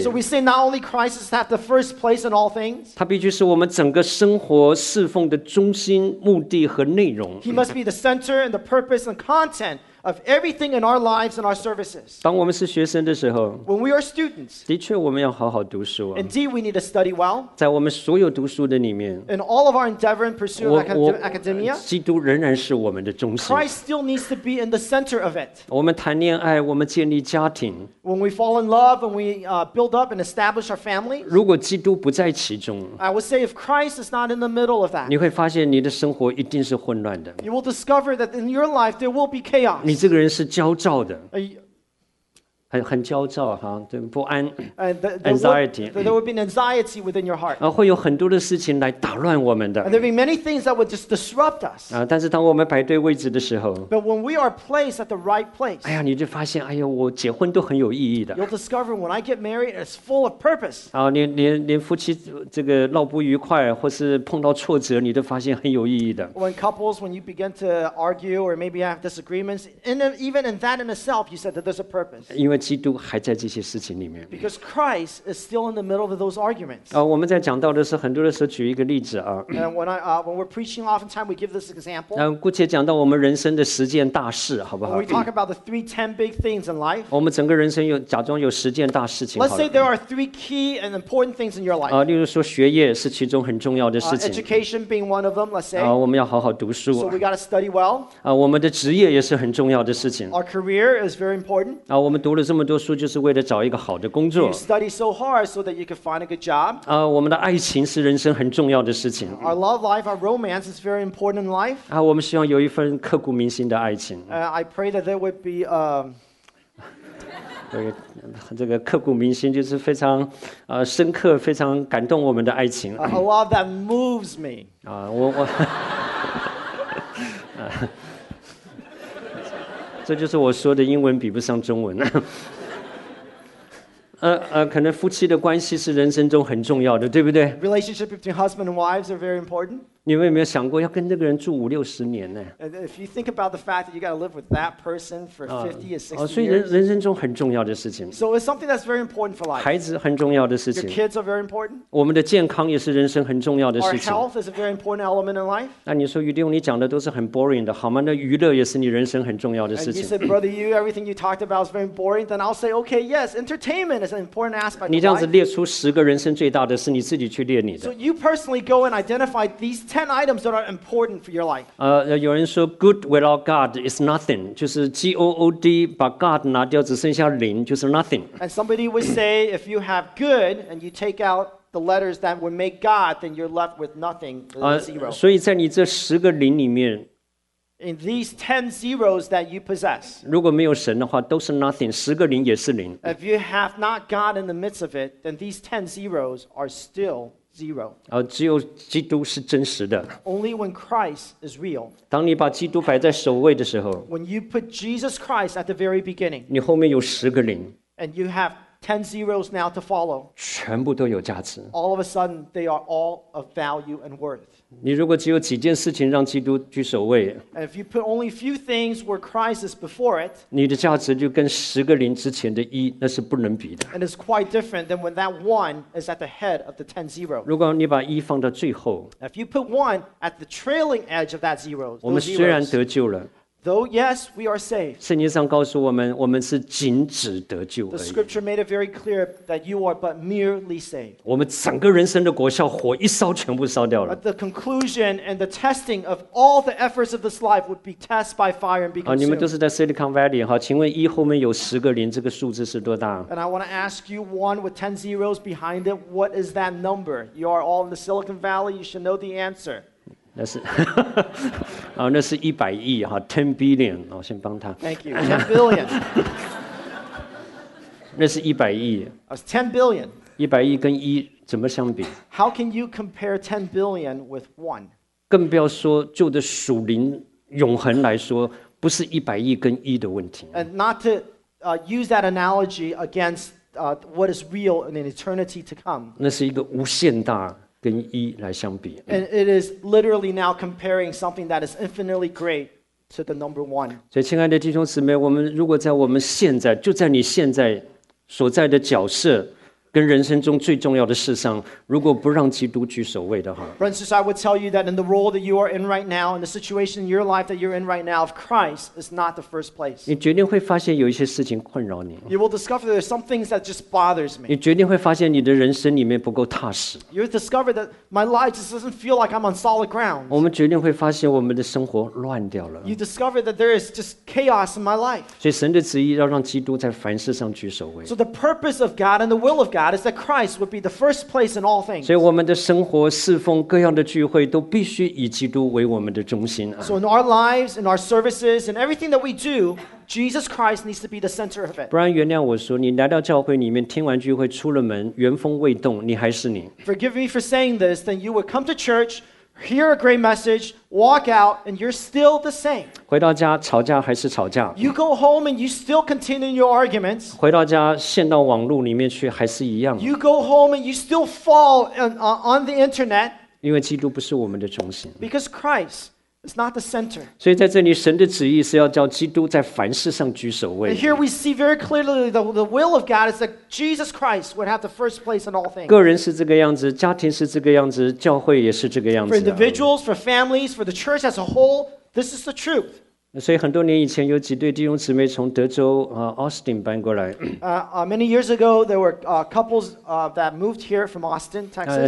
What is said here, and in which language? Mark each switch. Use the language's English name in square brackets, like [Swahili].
[English] So we say not only Christ is at the first place in all things. [Chinese] 他必须是我们整个生活侍奉的中心、目的和内容。 [English] He must be the center and the purpose and content. Of everything in our lives and our services. [Chinese] 当我们是学生的时候 [English] ，When we are students, [Chinese] 的确我们要好好读书啊。 [English] Indeed, we need to study well. [Chinese] 在我们所有读书的里面 [English] ，In all of our endeavor and pursuit of academia, [Chinese] 基督仍然是我们的中心。 [English] Christ still needs to be in the center of it. [Chinese] 我们谈恋爱，我们建立家庭。 [English] When we fall in love and we build up and establish our family, [Chinese] 如果基督不在其中 [English] ，I would say if Christ is not in the middle of that, [Chinese] 你会发现你的生活一定是混乱的。 [English] You will discover that in your life there will be chaos. [Chinese] 你这个人是焦躁的，很焦躁哈，对，不安 ，anxiety。 [English] There would be anxiety within your heart。 [Chinese] 会有很多的事情来打乱我们的。 [English] And there be many things that would just disrupt us。 [Chinese] 但是当我们摆对位置的时候 [English] ，But when we are placed at the right place， [Chinese] 哎呀，你就发现，哎呀，我结婚都很有意义的。 [English] You'll discover when I get married, it's full of purpose。 [Chinese] 连夫妻这个闹不愉快，或是碰到挫折，你都发现很有意义的。 [English] When couples, when you begin to argue or maybe have disagreements, and even in that in itself, you said that there's a purpose。 [Chinese] 因为基督还在这些事情里面。 [English] Because Christ is still in the middle of those arguments. [Chinese] 我们在讲道的时候，很多的时候举一个例子啊。 [English] And when we're preaching, oftentimes we give this example. [Chinese] 姑且讲到我们人生的十件大事，好不好 [English] ？We talk about the three ten big things in life. [Chinese] 我们整个人生有假装有十件大事情。 [English] Let's say there are three key and important things in your life. [Chinese] 例如说学业是其中很重要的事情。 [English] Education being one of them, let's say. [Chinese] 我们要好好读书。 [English] So we got to study well. [Chinese] 我们的职业也是很重要的事情。 [English] Our career is very important. [Chinese] 我们读了这么多书就是为了找一个好的工作。 [English] You study so hard so that you can find a good job. [Chinese] 我们的爱情是人生很重要的事情。 [English] Our love life, our romance is very important in life. [Chinese] 我们希望有一份刻骨铭心的爱情。 [English] I pray that there would be [Chinese] 这个刻骨铭心就是非常深刻、非常感动我们的爱情。 [English] A love that moves me. [Chinese] 我。这就是我说的英文比不上中文可能夫妻的关系是人生中很重要的，对不对 [English] ？Relationship between husband and wives are very important. [Chinese] 你们有没有想过要跟那个人住五六十年呢 [English] ？If you think about the fact that you got to live with that person for 50 or 60 years. [Chinese] 所以人生中很重要的事情。 [English] So it's something that's very important for life. [Chinese] 孩子很重要的事情。 [English] Your kids are very important. [Chinese] 我们的健康也是人生很重要的事情。 [English] Our health is a very important element in life. [Chinese] 那你说于弟兄，你讲的都是很 boring 的，好吗？那娱乐也是你人生很重要的事情。 [English] And you said, brother, you everything you talked about is very boring. Then I'll say, okay, yes, entertainment is. [Chinese] 你这样子列出十个人生最大的事，你自己去列你的。 [English] So you personally go and identify these 10 items that are important for your life. [Chinese] 有人说 [English] good without God is nothing, [Chinese] 就是 good 把 God 拿掉只剩下零，就是 nothing. [English] And somebody would say if you have good and you take out the letters that would make God, then you're left with nothing, zero. [Chinese] 所以在你这十个零里面。 [English] in these 10 zeros that you possess. [Chinese] 如果没有神的话，都是 nothing， 十个零也是零。 [English] If you have not God in the midst of it, then these 10 zeros are still zero. [Chinese] 只有基督是真实的。 [English] Only when Christ is real. [Chinese] 当你把基督摆在首位的时候， [English] when you put Jesus Christ at the very beginning, [Chinese] 你后面有十个零。 [English] And you have 10 zeros now to follow. [Chinese] 全部都有价值。 [English] All of a sudden, they are all of value and worth. [Chinese] 你如果只有几件事情让基督居首位， [English] if you put only few things where Christ is before it, [Chinese] 你的价值就跟十个零之前的一，那是不能比的。 [English] And it's quite different than when that one is at the head of the 10 zeros. [Chinese] 如果你把一放到最后， [English] if you put one at the trailing edge of that zero, [Chinese] 我们虽然得救了。 [English] Though yes, we are saved. [Chinese] 圣经上告诉我们，我们是仅只得救而已。 [English] The scripture made it very clear that you are but merely saved. [Chinese] 我们整个人生的果效，火一烧，全部烧掉了。 [English] But the conclusion and the testing of all the efforts of this life would be tested by fire and be consumed. [Chinese] 你们都是在 Silicon Valley 哈，请问一后面有十个零，这个数字是多大 [English] ？And I want to ask you one with 10 zeros behind it. What is that number? You are all in the Silicon Valley. You should know the answer. [Chinese] 那是啊，那是一百亿哈 ， [English] ten billion。 [Chinese] 我先帮他。 [English] Thank you, ten billion. [Chinese] 那是一百亿。 [English] That's ten billion. [Chinese] 一百亿跟一怎么相比 [English] ？How can you compare ten billion with one？ [Chinese] 更不要说就的属灵永恒来说，不是一百亿跟一的问题。 [English] And not to use that analogy against what is real in an eternity to come. [Chinese] 那是一个无限大。跟一来相比 [English] and it is literally now comparing something that is infinitely great to the number one. [Chinese] 所以，亲爱的弟兄姊妹，我们如果在我们现在，就在你现在所在的角色跟人生中最重要的事上，如果不让基督居首位的话 [English] ，Francis, I would tell you that in the role that you are in right now, in the situation in your life that you're in right now, if Christ is not the first place, [Chinese] 你决定会发现有一些事情困扰你。 [English] You will discover there are some things that just bothers me. [Chinese] 你决定会发现你的人生里面不够踏实。 [English] You will discover that my life just doesn't feel like I'm on solid ground. [Chinese] 我们决定会发现我们的生活乱掉了。 [English] You discover that there is just chaos in my life. [Chinese] 所以神的旨意要让基督在凡事上居首位。 [English] So the purpose of God and the will of God.God is that Christ would be the first place in all things. [Chinese] 所以我们的生活、侍奉、各样的聚会都必须以基督为我们的中心。 [English] So in our lives, in our services, and everything that we do, Jesus Christ needs to be the center of it. [Chinese] 不然原谅我说，你来到教会里面，听完聚会出了门，原封未动，你还是你。 [English] Forgive me for saying this, then you would come to church, hear a great message, walk out, and you're still the same. [Chinese] 回到家，吵架还是吵架。 [English] You go home and you still continue your arguments. [Chinese] 回到家，陷到网络里面去还是一样。 [English] You go home and you still fall on the internet. [Chinese] 因为基督不是我们的中心。 [English] Because Christ is not the center. [Chinese] 所以在这里，神的旨意是要叫基督在凡事上居首位。 [English] And here we see very clearly the will of God is that Jesus Christ would have the first place in all things. [Chinese] 个人是这个样子，家庭是这个样子，教会也是这个样子。 [English] For individuals, for families, for the church as a whole, this is the truth. [Chinese] 所以很多年以前，有几对弟兄姊妹从德州Austin 搬过来。 [English] Many years ago, there were couples that moved here from Austin, Texas.